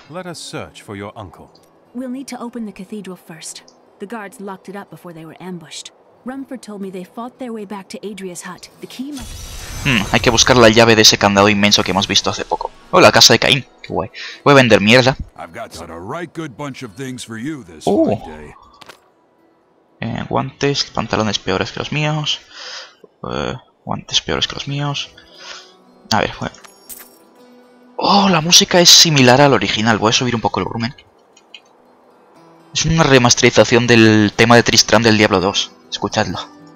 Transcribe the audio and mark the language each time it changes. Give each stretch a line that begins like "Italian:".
English: Let us search for your uncle. We'll need to open the cathedral first. The guards locked it up before they were ambushed. Rumford told me they fought their way back to Adria's hut. The key must...
Spanish: Hay que buscar la llave de ese candado inmenso que hemos visto hace poco. Oh, la casa de Caín. Qué guay. Voy a vender mierda.
English: I've got a right good bunch of things for you this day.
Spanish: guantes, pantalones peores que los míos. Guantes peores que los míos. A ver, bueno. Oh, la música es similar al original. Voy a subir un poco el volumen. Es una remasterización del tema de Tristram del Diablo 2. Escuchadlo.